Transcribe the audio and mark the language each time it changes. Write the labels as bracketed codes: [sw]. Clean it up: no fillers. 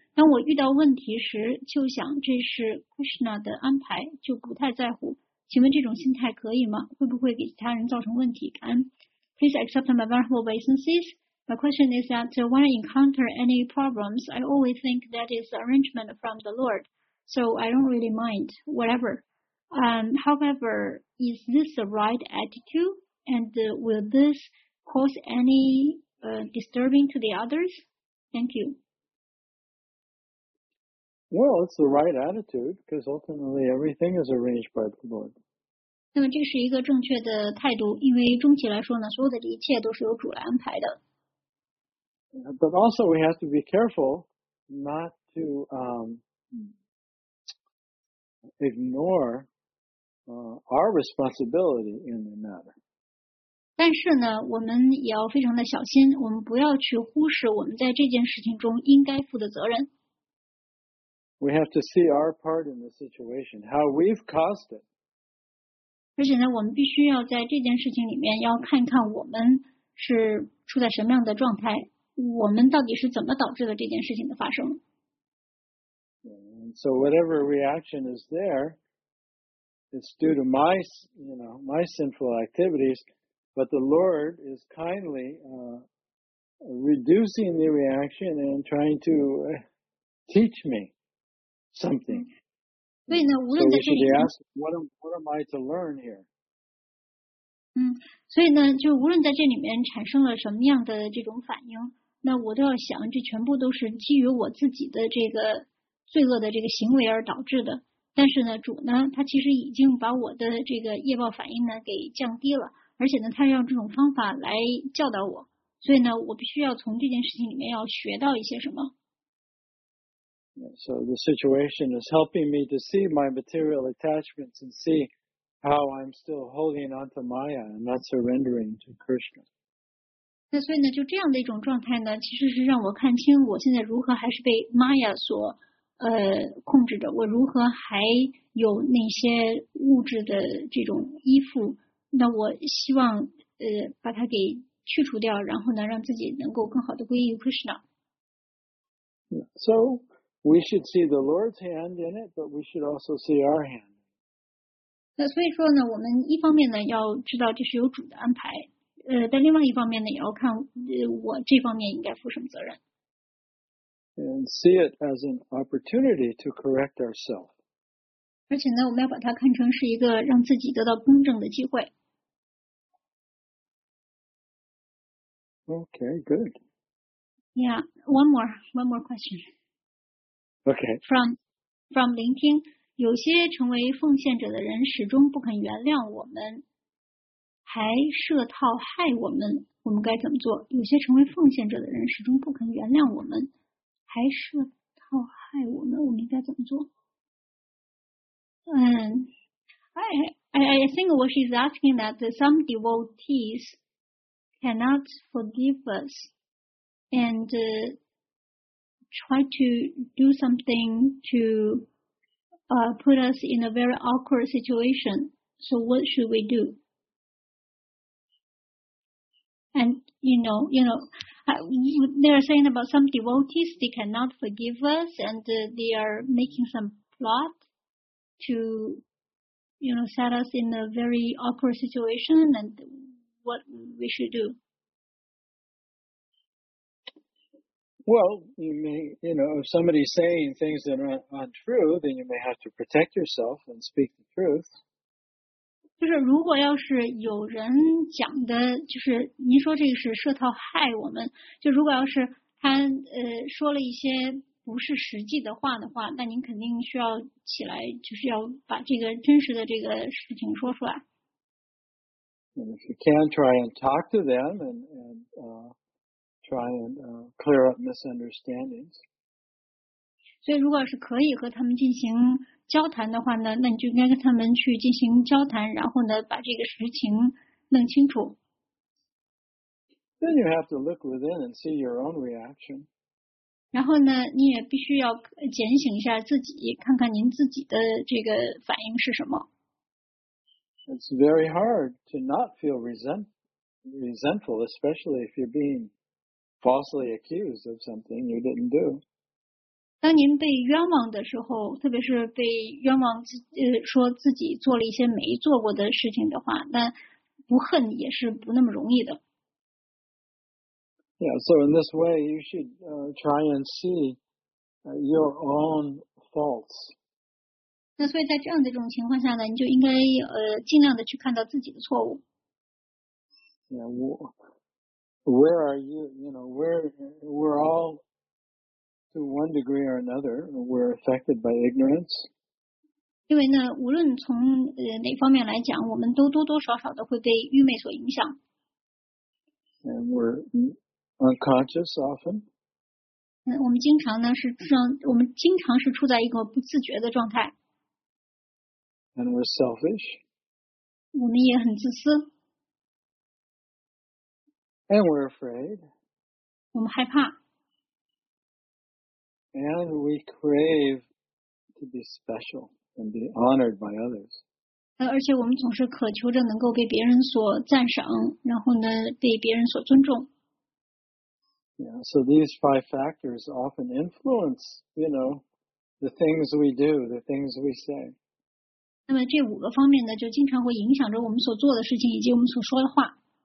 [zh] 当我遇到问题时，就想这是 Krishna 的安排，就不太在乎。请问这种心态可以吗？会不会给其他人造成问题？感恩。 [en] Please accept my vulnerable obeisances. My question is that when I encounter any problems, I always think that is arrangement from the Lord, so I don't really mind, whatever. However, is this the right attitude? And will this cause any disturbing to the others? Thank you. Well, it's the right attitude, because ultimately everything is arranged by the Lord. [zh] 那么这是一个正确的态度，因为终极来说呢，所有的一切都是由主来安排的。 [en] But also we have to be careful not to ignore our responsibility in the matter. [zh] 但是呢，我们也要非常的小心，我们不要去忽视我们在这件事情中应该负的责任。 [en] We have to see our part in the situation, how we've caused it. [zh] 而且呢，我们必须要在这件事情里面要看看我们是处在什么样的状态，我们到底是怎么导致了这件事情的发生。 [en] And so whatever reaction is there, it's due to my, you know, my sinful activities, but the Lord is kindly reducing the reaction and trying to teach me. Something. So we should be asking, what am I to learn here? [zh] 所以呢，就无论在这里面产生了什么样的这种反应，那我都要想，这全部都是基于我自己的这个罪恶的这个行为而导致的。但是呢，主呢，他其实已经把我的这个业报反应呢给降低了，而且呢，他用这种方法来教导我。所以呢，我必须要从这件事情里面要学到一些什么。 [en] So the situation is helping me to see my material attachments and see how I'm still holding on to Maya and not surrendering to Krishna. [zh] 那所以呢，就这样的一种状态呢，其实是让我看清我现在如何还是被 Maya 所控制着，我如何还有那些物质的这种依附。那我希望把它给去除掉，然后呢，让自己能够更好的归于 Krishna. [en] So. We should see the Lord's hand in it, but we should also see our hand. [zh] 那所以说呢，我们一方面呢要知道这是由主的安排，但另外一方面呢也要看我这方面应该负什么责任。 [en] And see it as an opportunity to correct ourselves. [zh] 而且呢，我们要把它看成是一个让自己得到公正的机会。 [en] Okay, good. Yeah, one more question. Okay. From [zh] 聆听，有些成为奉献者的人始终不肯原谅我们，还设套害我们，我们该怎么做？有些成为奉献者的人始终不肯原谅我们，还设套害我们，我们应该怎么做？ [en] I think what she's asking that some devotees cannot forgive us and try to do something to put us in a very awkward situation. So what should we do? And you know, they are saying about some devotees, they cannot forgive us and they are making some plot to, you know, set us in a very awkward situation and what we should do. Well, you may, you know, if somebody's saying things that are untrue, then you may have to protect yourself and speak the truth. [zh] 就是如果要是有人讲的，就是您说这个是设套害我们，就如果要是他说了一些不是实际的话的话，那您肯定需要起来，就是要把这个真实的这个事情说出来。 [en] And if you can, try and talk to them try and clear up misunderstandings. [zh] 所以如果是可以和他们进行交谈的话呢，那你就应该跟他们去进行交谈，然后呢把这个实情弄清楚。 [en] Then you have to look within and see your own reaction. [zh] 然后呢你也必须要检醒一下自己，看看您自己的这个反应是什么。 [en] It's very hard to not feel resentful, especially if you're being falsely accused of something you didn't do. [zh] 当您被冤枉的时候，特别是被冤枉说自己做了一些没做过的事情的话，那不恨也是不那么容易的。 [en] Yeah, so in this way, you should try and see your own faults. [zh] 那所以在这样的这种情况下呢，你就应该尽量的去看到自己的错误。 [en] Yeah, where are you? You know, we're all to one degree or another, we're affected by ignorance. [zh] 因为呢，无论从哪方面来讲，我们都多多少少的会被愚昧所影响。 [en] And we're unconscious often. [zh] 我们经常呢是处在一个不自觉的状态。 [en] And we're selfish. [zh] 我们也很自私。 [en] And we're afraid. [zh] 我们害怕。 [en] And we crave to be special and be honored by others. [zh] 而且我们总是渴求着能够被别人所赞赏，然后呢，被别人所尊重。 [en] Yeah, so these five factors often influence, you know, the things we do, the things we say. [zh] 那么这五个方面呢，就经常会影响着我们所做的事情以及我们所说的话。